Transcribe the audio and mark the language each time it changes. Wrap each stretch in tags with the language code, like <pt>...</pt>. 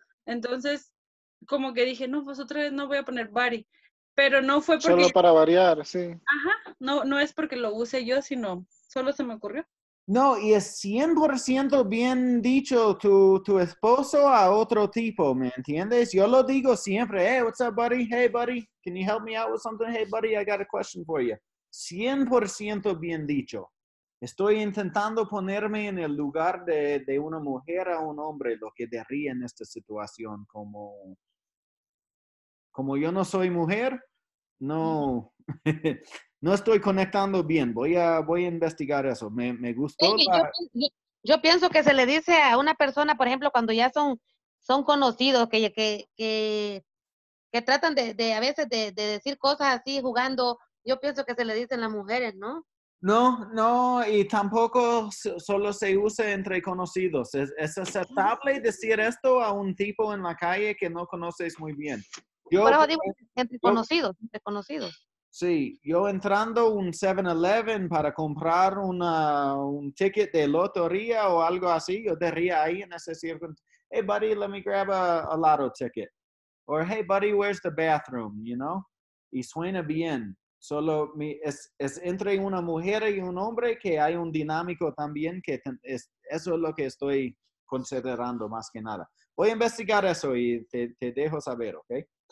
<es>Entonces, como que dije, no, pues otra vez no voy a poner body. Pero no fue porque... Solo para variar, sí. Ajá, no es porque lo use yo, sino solo se me ocurrió. No, y es 100% bien dicho tu esposo a otro tipo, ¿me entiendes? Yo lo digo siempre,</es> <en>hey, what's up, buddy? Hey, buddy, can you help me out with something? Hey, buddy, I got a question for you.</en> <es>100% bien dicho. Estoy intentando ponerme en el lugar de una mujer a un hombre, lo que diría en esta situación. Como yo no soy mujer, no... No estoy conectando bien. Voy a investigar eso. Me gustó. Sí, yo pienso que se le dice a una persona, por ejemplo, cuando ya son conocidos, que tratan de a veces de decir cosas así jugando, yo pienso que se le dicen las mujeres, ¿no? No, y tampoco solo se usa entre conocidos. ¿Es aceptable decir esto a un tipo en la calle que no conoces muy bien? Yo, por eso digo entre conocidos. Sí, yo entrando un 7-Eleven para comprar un ticket de lotería o algo así, yo diría ahí en ese circuito,</es> <en>hey buddy, let me grab a lotto ticket. Or hey buddy, where's the bathroom, you know?</en> <es>Y suena bien. Solo es entre una mujer y un hombre que hay un dinámico también eso es lo que estoy considerando más que nada. Voy a investigar eso y te dejo saber, ¿ok?</es>